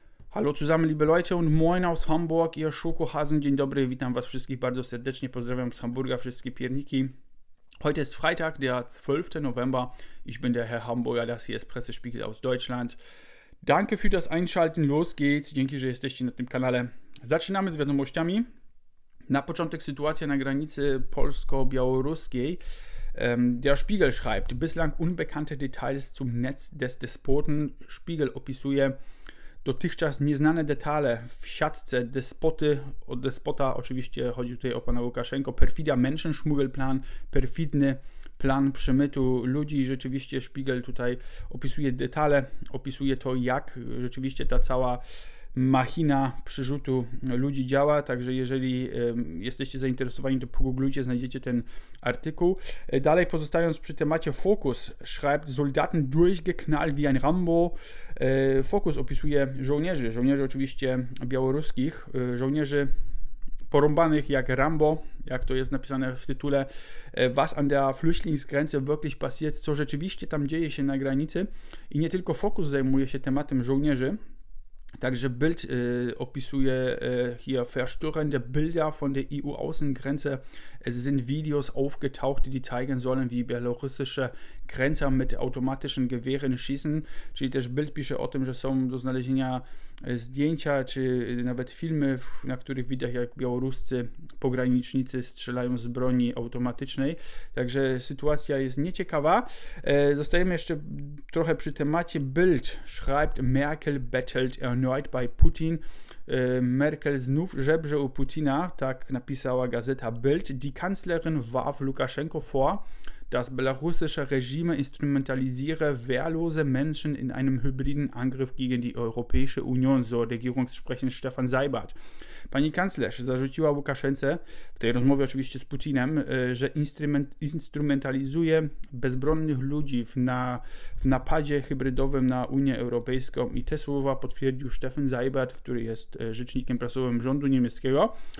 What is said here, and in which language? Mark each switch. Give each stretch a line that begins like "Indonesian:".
German: Hallo zusammen, liebe Leute und moin aus Hamburg, ihr Schokohasen,
Polish: dzień dobry, witam was wszystkich bardzo serdecznie, pozdrawiam z Hamburga wszystkie pierniki.
German: Heute ist Freitag, der 12. November, ich bin der Herr Hamburger, das hier ist Pressespiegel aus Deutschland. Danke für das Einschalten, los geht's,
Polish: dzięki, że jesteście na tym kanale. Zaczynamy z wiadomościami. Na początek sytuacja na granicy polsko-białoruskiej.
German: Der Spiegel schreibt, bislang unbekannte Details zum Netz des Despoten.
Polish: Spiegel opisuje dotychczas nieznane detale w siatce despoty, od despota oczywiście chodzi tutaj o pana Łukaszenko, perfidia,
German: menschenschmuggelplan,
Polish: perfidny plan przemytu ludzi. Rzeczywiście Spiegel tutaj opisuje detale, opisuje to, jak rzeczywiście ta cała machina przerzutu ludzi działa, także jeżeli jesteście zainteresowani, to pogooglujcie, znajdziecie ten artykuł. Dalej pozostając przy temacie,
German: Focus schreibt, Soldaten durchgeknallt wie ein Rambo.
Polish: Focus opisuje żołnierzy, żołnierzy oczywiście białoruskich, żołnierzy porąbanych jak Rambo, jak to jest napisane w tytule,
German: was an der Flüchtlingsgrenze wirklich passiert,
Polish: co rzeczywiście tam dzieje się na granicy. I nie tylko Focus zajmuje się tematem żołnierzy. Także Bild opisuje
German: hier verstörende Bilder von der EU-Außengrenze. Es sind Videos aufgetaucht, die zeigen sollen, wie belarussische Grenzer mit automatischen Gewehren schießen.
Polish: Czyli też Bild pisze o tym, że są do znalezienia zdjęcia, czy nawet filmy, na których widać, jak białoruscy pogranicznicy strzelają z broni automatycznej. Także sytuacja jest nieciekawa. Zostajemy jeszcze trochę przy temacie.
German: Bild schreibt, Merkel battled erneut bei Putin.
Polish: Merkel znów żebrze u Putina, tak napisała gazeta Bild.
German: Die Kanzlerin warf Lukaschenko vor, das belarussische Regime instrumentalisiere wehrlose Menschen in einem hybriden Angriff gegen die Europäische Union, so Regierungssprecher Stefan Seibert.
Polish: Pani kanclerz zarzuciła Łukaszence, w tej rozmowie oczywiście z Putinem, że instrumentalizuje bezbronnych ludzi w napadzie hybrydowym na Unię Europejską. I te słowa potwierdził Stefan Seibert, który jest rzecznikiem prasowym rządu niemieckiego.